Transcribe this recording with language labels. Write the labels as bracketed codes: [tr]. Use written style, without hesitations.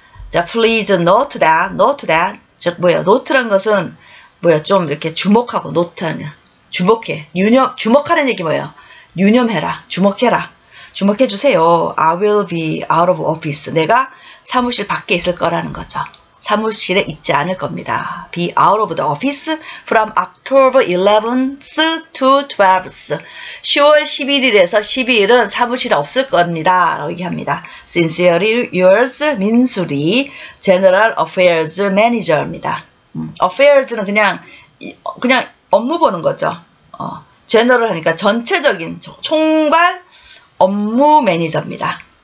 [ko] 자, [en] please note that. Note that. [ko] 즉, 뭐예요? Note란 것은 뭐예요? 좀 이렇게 주목하고 note라는 거. 주목해. 유념, 주목하라는 얘기 뭐예요? 유념해라. 주목해라. 주목해 주세요. [en] I will be out of office. [ko] 내가 사무실 밖에 있을 거라는 거죠. 사무실에 있지 않을 겁니다. [en] Be out of the office from October 11th to 12th. [ko] 10월 11일에서 12일은 사무실에 없을 겁니다. 라고 얘기합니다. [en] Sincerely yours, [ko] 민수리, General Affairs Manager입니다. Affairs는 그냥 업무 보는 거죠. General 하니까 전체적인 총괄 업무 매니저입니다.